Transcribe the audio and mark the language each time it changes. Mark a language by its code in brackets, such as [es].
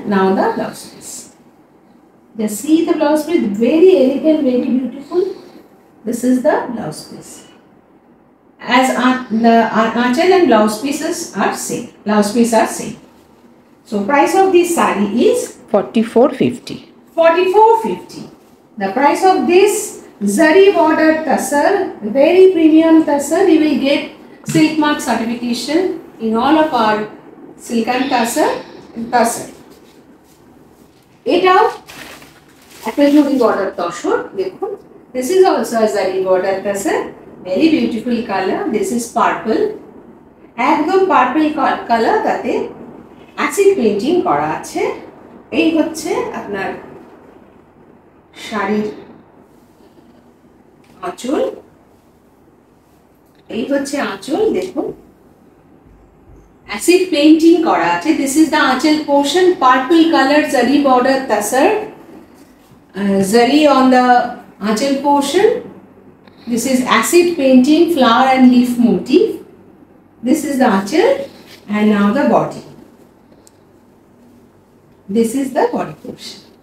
[en] Now the blouse piece, the see the blouse piece, very elegant, very beautiful. This is the blouse piece. As the aanchal and blouse pieces are same. Blouse piece are same. So price of this saree is? $44.50. The price of this zari border tassar, very premium tassar, you will get silk mark certification in all of our silk and tassar. [bn] Etao, apnejodi border tassar, dekho. [en] This is also a zari border tassar, very beautiful color. This is purple, [bn] একদম purple color, তাতে acid painting করা আছে। এই হচ্ছে আপনার শাড়ির আঁচল, এই হচ্ছে আঁচল, দেখুন acid painting করা আছে। [en] This is the aanchal portion, purple color, zari border tassar, zari on the aanchal portion, this is acid painting, flower and leaf motif, this is the aanchal and now the body, this is the body portion.